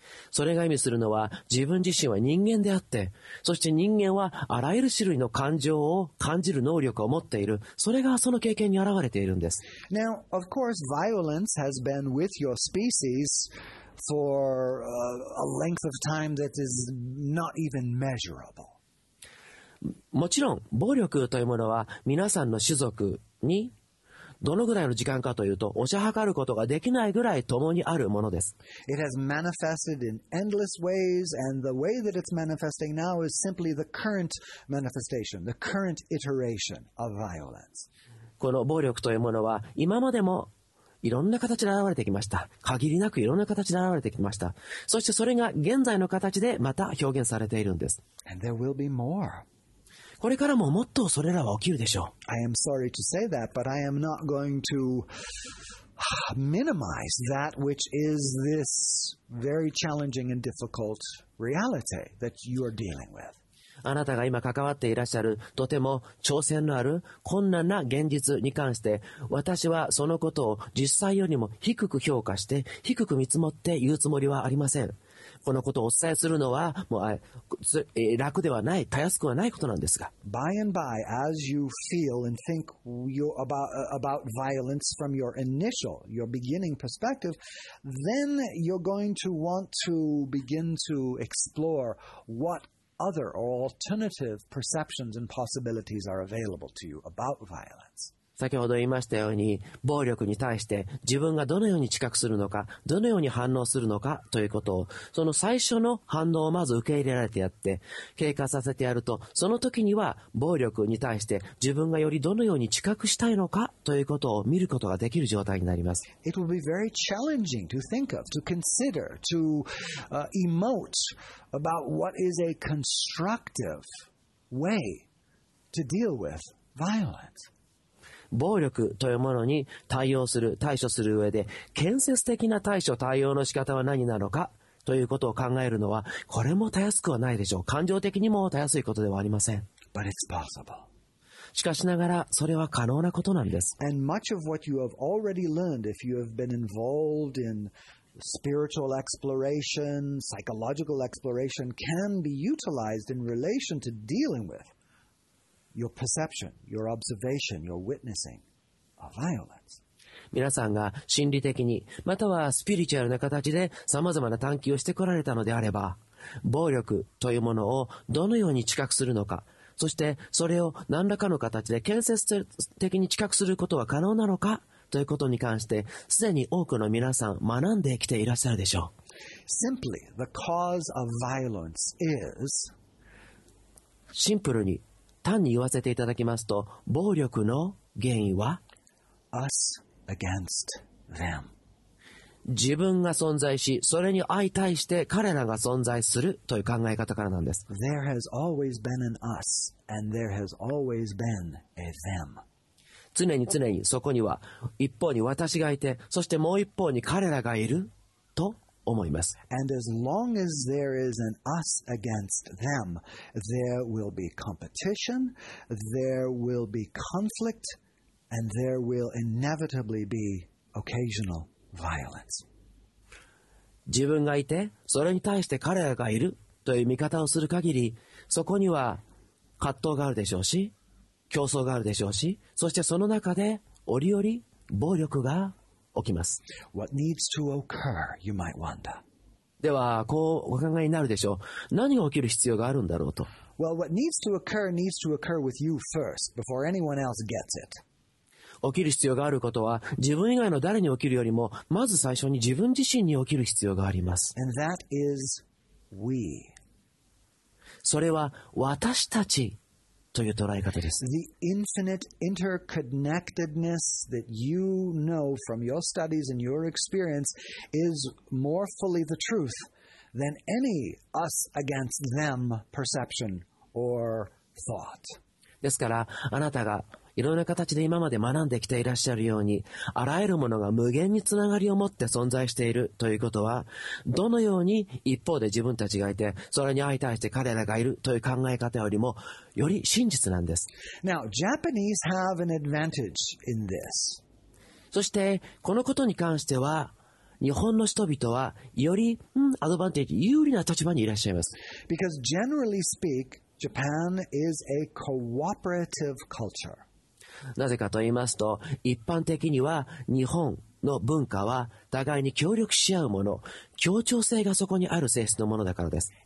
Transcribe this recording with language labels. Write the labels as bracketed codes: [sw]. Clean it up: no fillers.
[ja] それが意味するのは、自分自身は人間であって、そして人間はあらゆる種類の感情を感じる能力を持っている。それがその経験に表れているんです。 [en] Now, of course, violence has been with your species. For a length of time that is not even measurable. [ja] もちろん暴力というものは皆さんの種族にどのぐらいの時間かというと、押し量ることができないぐらい共にあるものです。 [en] It has manifested in endless ways, and the way that it's manifesting now is simply the current manifestation, the current iteration of violence. [ja] この暴力というものは今までもいろんな形で現れてきました。限りなくいろんな形で現れてきました。そしてそれが現在の形でまた表現されているんです。 [en] And there will be more. [ja] これからももっとそれらは起きるでしょう。 [en] I am sorry to say that, but I am not going to minimize that which is this very challenging and difficult reality that you are dealing with. [ja] あなたが今関わっていらっしゃるとても挑戦のある困難な現実に関して、私はそのことを実際よりも低く評価して、低く見積もって言うつもりはありません。このことをお伝えするのはもう楽ではない、たやすくはないことなんですが。 [en] By and by, as you feel and think about violence from your initial, your beginning perspective, then you're going to want to begin to explore what other or alternative perceptions and possibilities are available to you about violence. [ja] 先ほど言いましたように、暴力に対して自分がどのように知覚するのか、どのように反応するのかということを、その最初の反応をまず受け入れられてやって、経過させてやると、その時には暴力に対して自分がよりどのように知覚したいのかということを見ることができる状態になります。 [en] It will be very challenging to think of, to consider, to emote about what is a constructive way to deal with violence. [ja] 暴力というものに対応する、対処する上で建設的な対処、対応の仕方は何なのかということを考えるのは、これもたやすくはないでしょう。感情的にもたやすいことではありません。 [en] But it's possible. [ja] しかしながらそれは可能なことなんです。 [en] And much of what you have already learned, if you have been involved in spiritual exploration, psychological exploration, can be utilized in relation to dealing withYour perception, your observation, your witnessing of violence. [ja] 皆さんが心理的にまたはスピリチュアルな形でさまざまな探求をしてこられたのであれば、暴力というものをどのように知覚するのか、そしてそれを何らかの形で建設的に知覚することは可能なのかということに関して、すでに多くの皆さん学んできていらっしゃるでしょう。 [en] Simply, the cause of violence is [ja] シンプルに単に言わせていただきますと、暴力の原因は [en] Us against them. [ja] 自分が存在し、それに相対して彼らが存在するという考え方からなんです。 [en] There has always been an us, and there has always been a them. [ja] 常に常にそこには一方に私がいて、そしてもう一方に彼らがいると思います。 [en] And as long as there is an us against them, there will be competition, there will be conflict, and there will inevitably be occasional violence. [ja] 自分がいて、それに対して彼らがいるという見方をする限り、そこには葛藤があるでしょうし、競争があるでしょうし、そしてその中で折々暴力が起きます。 [en] What needs to occur, you might wonder. [ja] ではこうお考えになるでしょう。何が起きる必要があるんだろうと。 [en] Well, what needs to occur needs to occur with you first, before anyone else gets it. [ja] 起きる必要があることは、自分以外の誰に起きるよりもまず最初に自分自身に起きる必要があります。 [en] And that is we. [ja] それは私たちという捉え方です。 [en] The infinite interconnectedness that you know from your studies and your experience is more fully the truth than any us against them perception or thought. [ja] ですから、あなたがいろんな形で今まで学んできていらっしゃるように、あらゆるものが無限につながりを持って存在しているということは、どのように一方で自分たちがいて、それに相対して彼らがいるという考え方よりもより真実なんです。 [en] Now, Japanese have an advantage in this. [ja] そしてこのことに関しては、日本の人々はよりアドバンテージ、有利な立場にいらっしゃいます。 [en] Because generally speak, Japan is a cooperative culture. [ja] なぜかと言いますと、一般的には日本の文化は互いに協力し合うもの、協調性がそこにある性質のものだからです。